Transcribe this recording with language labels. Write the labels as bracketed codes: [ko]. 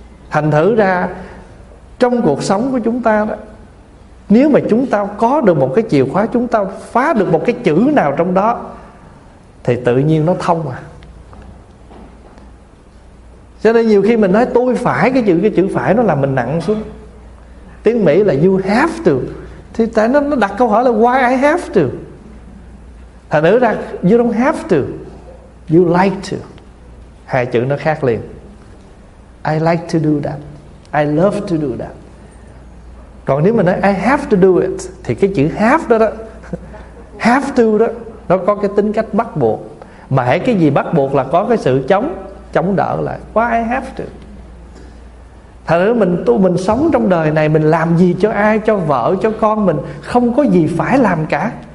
[vi] Thành thử ra trong cuộc sống của chúng ta đó, nếu mà chúng ta có được một cái chìa khóa, chúng ta phá được một cái chữ nào trong đó thì tự nhiên nó thông à. Cho nên nhiều khi mình nói tôi phải, cái chữ phải nó làm mình nặng xuống. Tiếng Mỹ là [en] you have to, [vi] thì tại nó đặt câu hỏi là [en] why I have to. [vi] Thành thử ra [en] you don't have to, you like to. [vi] Hai chữ nó khác liền. [en] I like to do that, I love to do that. [vi] Còn nếu mình nói [en] I have to do it [vi] thì cái chữ have đó, have to đó, nó có cái tính cách bắt buộc. Mà hãy cái gì bắt buộc là có cái sự chống đỡ lại. [en] Why I have to? [vi] Thật ra mình sống trong đời này, mình làm gì cho ai, cho vợ, cho con, mình không có gì phải làm cả.